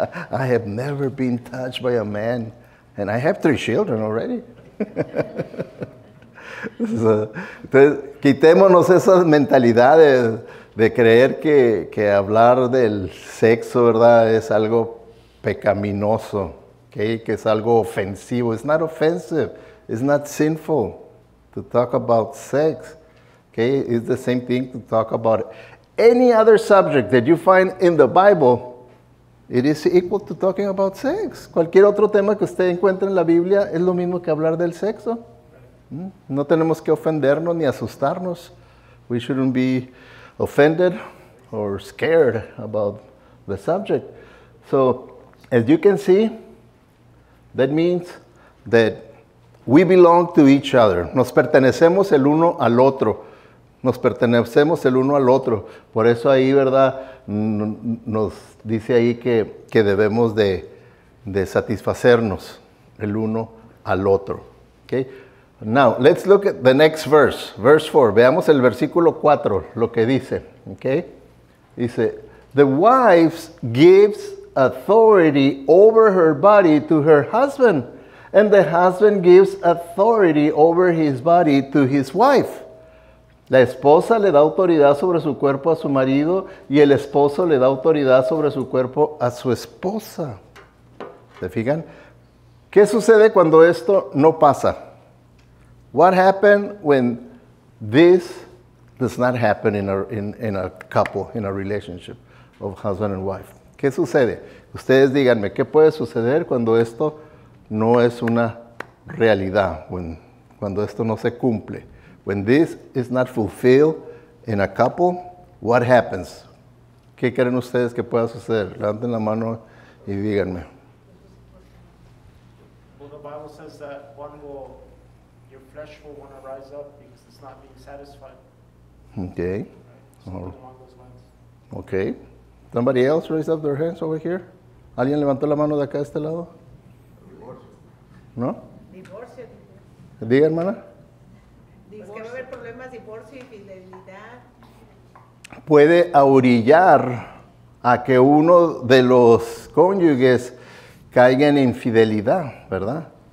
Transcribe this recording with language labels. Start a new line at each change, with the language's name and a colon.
English: I have never been touched by a man. And I have 3 children already.
Spanish: Entonces, quitémonos esa mentalidad de creer que hablar del sexo, ¿verdad?, es algo pecaminoso, ¿okay? Que es algo ofensivo.
English: It's not offensive. It's not sinful to talk about sex. ¿Okay? It's the same thing to talk about any other subject that you find in the Bible. It is equal to talking about sex.
Spanish: Cualquier otro tema que usted encuentre en la Biblia es lo mismo que hablar del sexo. No tenemos que ofendernos ni asustarnos.
English: We shouldn't be offended or scared about the subject. So, as you can see, that means that we belong to each other.
Spanish: Nos pertenecemos el uno al otro. Nos pertenecemos el uno al otro. Por eso ahí, ¿verdad?, nos dice ahí que debemos de satisfacernos el uno al otro. ¿Okay?
English: Now, let's look at the next verse, verse 4.
Spanish: Veamos el versículo 4, lo que dice,
English: okay?
Spanish: Dice,
English: the wife gives authority over her body to her husband, and the husband gives authority over his body to his wife.
Spanish: La esposa le da autoridad sobre su cuerpo a su marido, y el esposo le da autoridad sobre su cuerpo a su esposa. ¿Se fijan? ¿Qué sucede cuando esto no pasa?
English: What happened when this does not happen in a couple, in a relationship of husband and wife?
Spanish: ¿Qué sucede? Ustedes díganme, ¿qué puede suceder cuando esto no es una realidad? Cuando esto no se cumple.
English: When this is not fulfilled in a couple, what happens?
Spanish: ¿Qué creen ustedes que pueda suceder? Levanten la mano y díganme.
English: Well, the Bible says that your flesh will want to rise up because it's not being satisfied. Okay. Right. Okay. Somebody else raise up their hands over here.
Spanish: ¿Alguien levantó la mano de acá a este lado? Divorcio. ¿No? Divorcio. ¿Diga, hermana? Divorcio. Es que va a haber problemas, divorcio y fidelidad. Puede orillar a que uno de los cónyuges caiga en infidelidad, ¿verdad?